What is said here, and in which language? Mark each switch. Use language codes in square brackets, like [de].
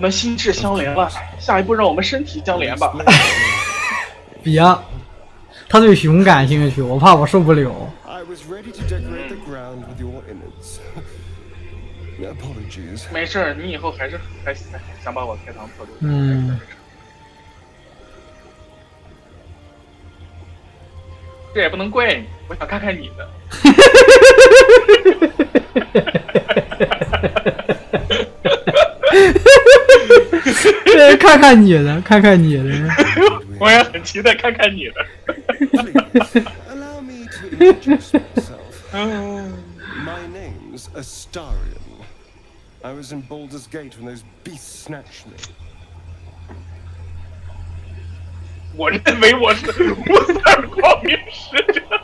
[zh] 们心智相连了，下一步让我们身体相连吧。别，他对熊感兴趣，我怕我受不了。 [en] I was ready to decorate the ground with your innards. Apologies. [zh] 没事，你以后还想把我开膛破肚。这也不能怪你，我想看看你的。看看你的，看看你的。我也很期待看看你的。 [en] Allow me to introduce myself. My name's Astarion. I was in Baldur's Gate when those beasts snatched me. [zh] 我认为我是乌斯尔光明使者。